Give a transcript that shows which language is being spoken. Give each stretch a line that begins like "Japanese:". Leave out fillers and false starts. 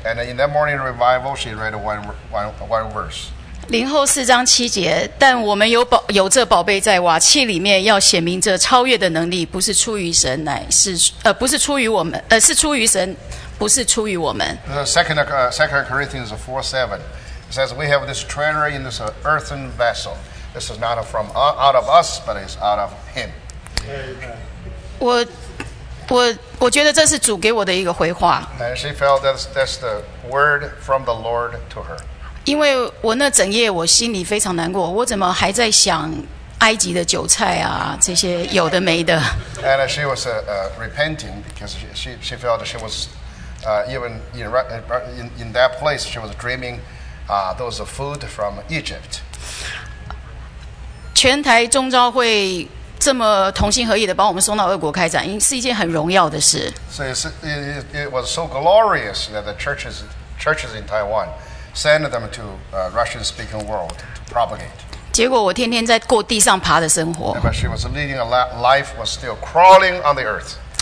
English: And in that morning revival, she read one verse.
Chinese: 零后四章七节，但我们有这宝贝在瓦器里面，要显明这超越的能力，不是出于神，乃是不是出于我们，是出于神，不是出于我们。
English: Second Corinthians 4:7 says, "We have this treasure in this earthen vessel." This is not from out of us, but it's out of Him.
Chinese: 我觉得这是主给我的一个回话。
English: And she felt that's the word from the Lord to her.
Chinese: 因为我那整夜我心里非常难过，我怎么还在想埃及的韭菜啊这些有的没的。
English: And she was repenting because she felt she was even in that place she was dreaming those food from Egypt.
Chinese: 全台中召会这么同心合意的把我们送到俄国开展，是一件很荣耀的事。
English: So it was so glorious that the churches in Taiwan sent them to Russian-speaking world to propagate.
Chinese: 结果我天天在过地上爬的生活。
English: But she was leading a life was still crawling on the earth.